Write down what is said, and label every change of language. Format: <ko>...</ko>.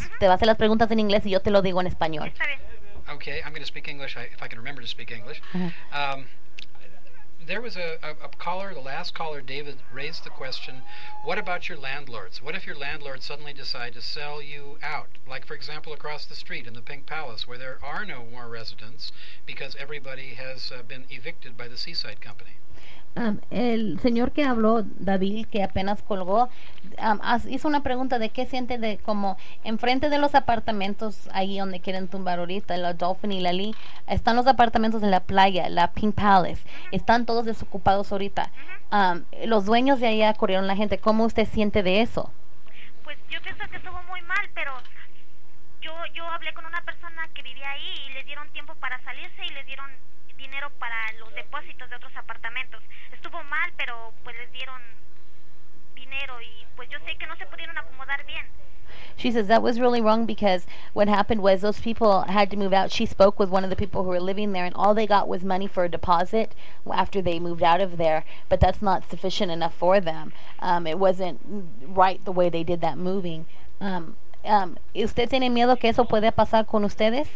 <es>Uh-huh. Te va a hacer las preguntas en inglés y yo te lo digo en español. Está bien.</es> <en>Okay, I'm going to speak English, if I can remember to speak English. Uh-huh. There was a caller, the last caller, David, raised the question, what about your landlords? What if your landlords suddenly decide to sell you out? Like, for example, across the street in the Pink Palace, where there are no more residents because everybody has been evicted by the Seaside Company.</en> <es>El señor que habló, David, que apenas colgó, hizo una pregunta de qué siente de como enfrente de los apartamentos ahí donde quieren tumbar ahorita, la Dolphin y la Lee, están los apartamentos de la playa, la Pink Palace, uh-huh. Están todos desocupados ahorita. Uh-huh. Los dueños de ahí acorrieron la gente. ¿Cómo usted siente de eso? Pues yo pienso que estuvo muy mal, pero yo hablé con una persona que vivía ahí y le dieron tiempo para salirse y le dieron dinero para los depósitos de otros apartamentos. Estuvo mal, pero pues les dieron dinero y pues yo sé que no se pudieron acomodar bien.</es> <en>She says that was really wrong because what happened was those people had to move out. She spoke with one of the people who were living there, and all they got was money for a deposit after they moved out of there, but that's not sufficient enough for them. It wasn't right the way they did that moving.</en> <es>¿Usted tiene miedo que eso pueda pasar con ustedes?</es>